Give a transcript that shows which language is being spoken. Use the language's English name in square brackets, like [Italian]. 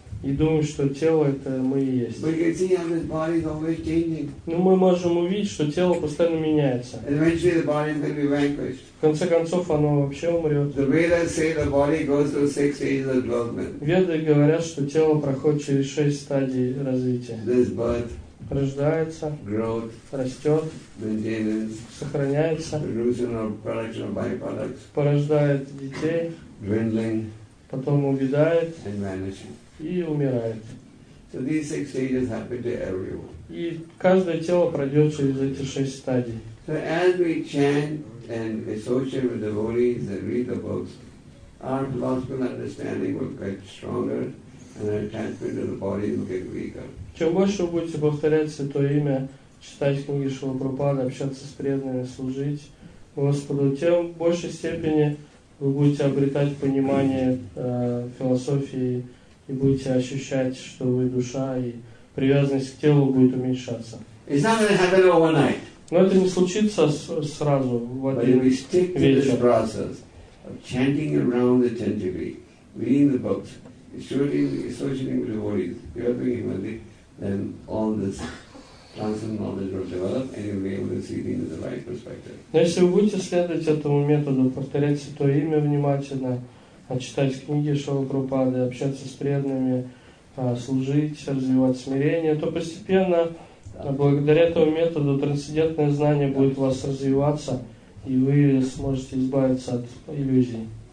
[Russian] И думаем, что тело — это мы и есть. [English] But you can see how this body is always changing. [Russian] Но мы можем увидеть, что тело постоянно меняется. [English] Eventually the body is going to be vanquished. [Russian] В конце концов, оно вообще умрет. [English] The Vedas say the body goes through 6 stages of development. [Russian] Веды говорят, что тело проходит через 6 стадий развития. [English] There's birth. [Russian] Рождается. [English] Growth. [Russian] Растет. [English] Maintenance. [Russian] Сохраняется. [English] Producing or production of byproducts. [Russian] Порождает детей. [English] Dwindling. [Russian] Потом увядает. [English] And vanishing. [Russian] И умирает. [English] So these 6 stages happen to everyone. [Russian] И каждое тело пройдет через эти 6 стадий. [English] So as we chant and associate with devotees and read the books, our philosophical understanding will get stronger and our attachment to the body will get weaker. [Russian] Чем больше вы будете повторять Святое Имя, читать книги Шрилы Прабхупады, общаться с преданными, служить Господу, тем в большей степени вы будете обретать понимание философии и будете ощущать, что вы душа, и привязанность к телу будет уменьшаться. [English] It's not going to happen overnight. [Russian] Но это не случится сразу в один [English] But if we stick [Russian] вечер. [English] To this process of chanting around the tantra, reading the books, associating with devotees, we are doing humility, then all this transcendental knowledge will develop, and you'll be able to see things in the right perspective. [Russian] Но если вы будете следовать этому методу, повторять Святое Имя внимательно, а читать книги Шрилы Прабхупады, общаться с преданными, служить, развивать смирение, то постепенно, благодаря этому методу, трансцендентное знание будет у вас развиваться, и вы сможете избавиться от иллюзий.